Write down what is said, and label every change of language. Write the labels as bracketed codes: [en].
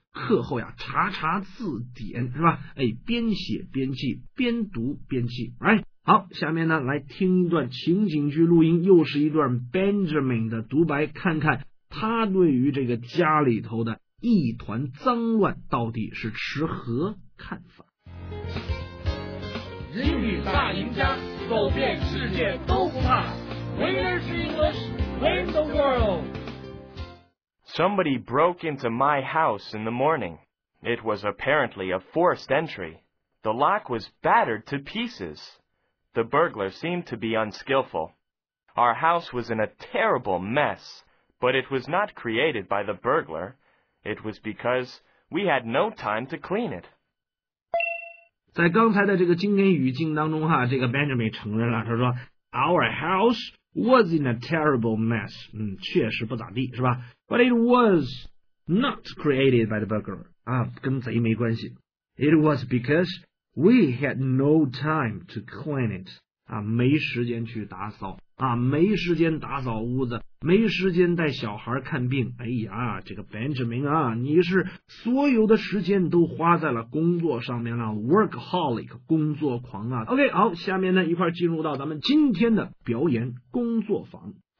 [zh] 课后呀查查字典是吧，哎，边写边记边读边记，哎，好，下面呢来听一段情景剧录音，又是一段 Benjamin 的独白，看看他对于这个家里头的一团脏乱到底是持何看法。英语大赢家，走遍世界都不怕。 [en] Winners English win the world。 Somebody broke into my house in the morning. It was apparently a forced entry. The lock was battered to pieces. The burglar seemed to be unskillful. Our house was in a terrible mess, but it was not created by the burglar. It was because we had no time to clean it. [zh] 在刚才的这个经典语境当中哈，这个 Benjamin 承认了，他说 [en] Our house was in a terrible mess. [zh] 确实不咋地，是吧？ [en] But it was not created by the burglar. [zh] 啊，跟贼没关系。 [en] It was because we had no time to clean it. [zh] 啊，没时间去打扫。啊，没时间打扫屋子，没时间带小孩看病。哎呀，这个 Benjamin 啊，你是所有的时间都花在了工作上面了 ，workaholic 工作狂啊。 OK， 好，下面呢一块进入到咱们今天的表演工作坊。